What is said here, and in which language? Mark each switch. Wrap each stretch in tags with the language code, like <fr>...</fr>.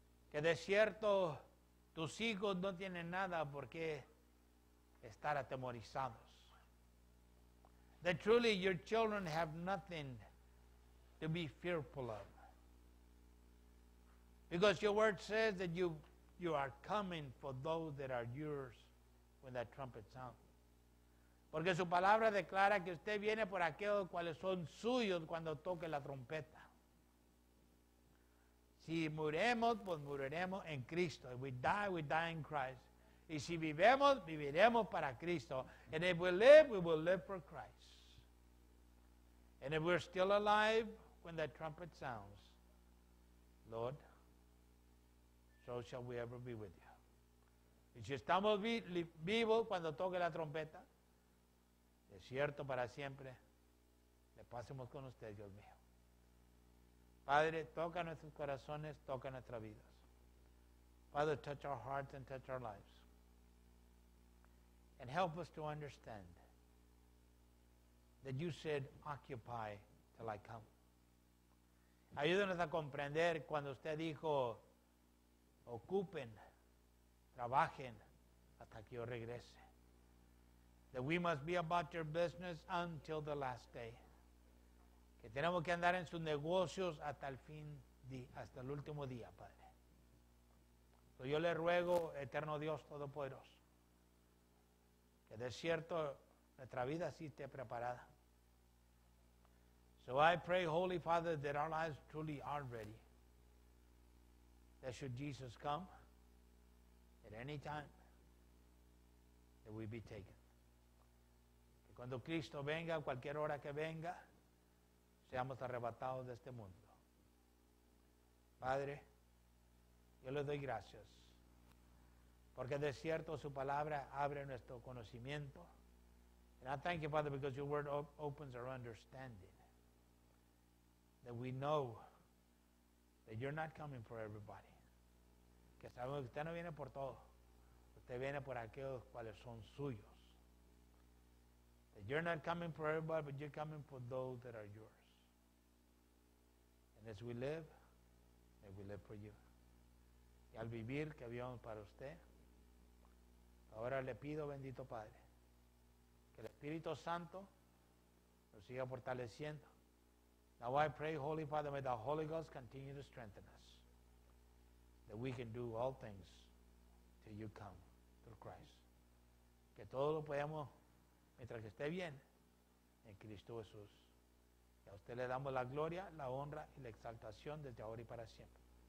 <es>Que de cierto, tus hijos no tienen nada por qué estar atemorizados.</es> <en>That truly your children have nothing to be fearful of. Because your word says that you are coming for those that are yours when that trumpet sounds.</en> <es>Porque su palabra declara que usted viene por aquellos cuales son suyos cuando toque la trompeta. Si muremos, pues moriremos en Cristo.</es> <en>If we die in Christ.</en> <es>Y si vivemos, viviremos para Cristo.</es> <en>And if we will live for Christ. And if we're still alive when that trumpet sounds, Lord, so shall we ever be with you.</en> <es>Y si estamos vivos cuando toque la trompeta, de cierto para siempre, le pasemos con usted, Dios mío. Padre, toca nuestros corazones, toca nuestras vidas.</es> <en>Father, touch our hearts and touch our lives. And help us to understand that you said, occupy till I come.</en> <es>Ayúdenos a comprender cuando usted dijo, ocupen, trabajen hasta que yo regrese.</es> <en>That we must be about your business until the last day.</en> <es>que tenemos que andar en sus negocios hasta el fin, hasta el último día, Padre. Entonces yo le ruego, eterno Dios Todopoderoso, que de cierto nuestra vida sí esté preparada.</es> <en>So I pray, Holy Father, that our lives truly are ready. That should Jesus come at any time, that we be taken.</en> <es>Que cuando Cristo venga, cualquier hora que venga, seamos arrebatados de este mundo. Padre, yo le doy gracias, porque de cierto su palabra abre nuestro conocimiento.</es> <en>And I thank you, Father, because your word opens our understanding. That we know that you're not coming for everybody.</en> <es>Que sabemos que usted no viene por todo. Usted viene por aquellos cuales son suyos.</es> <en>That you're not coming for everybody, but you're coming for those that are yours. And as we live, may we live for you.</en> <es>Y al vivir, que vivamos para usted. Ahora le pido, bendito Padre, que el Espíritu Santo nos siga fortaleciendo.</es> <en>Now I pray, Holy Father, may the Holy Ghost continue to strengthen us, that we can do all things till you come through Christ.</en> <es>Que todo lo podemos mientras que esté bien en Cristo Jesús. Y a usted le damos la gloria, la honra y la exaltación desde ahora y para siempre.</es>